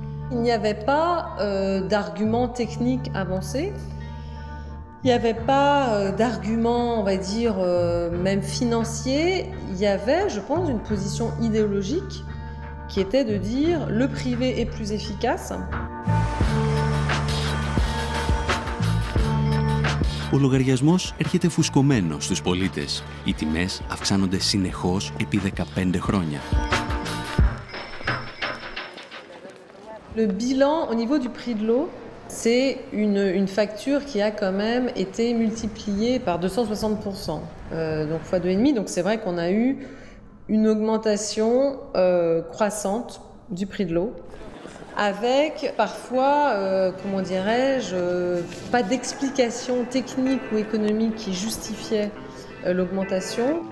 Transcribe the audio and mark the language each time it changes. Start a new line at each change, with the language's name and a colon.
French: Il n'y avait pas d'arguments techniques avancés. Il n'y avait pas d'argument, on va dire, même financier. Il y avait, je pense, une position idéologique qui était de dire le privé est plus efficace.
Greek: Ο λογαριασμός έρχεται φουσκωμένος στους πολίτες. Οι τιμές αυξάνονται συνεχώς επί 15 χρόνια.
French: Le bilan au niveau du prix de l'eau, c'est une facture qui a quand même été multipliée par 260%, donc fois 2,5. Donc c'est vrai qu'on a eu une augmentation croissante du prix de l'eau, avec parfois, pas d'explication technique ou économique qui justifiait l'augmentation.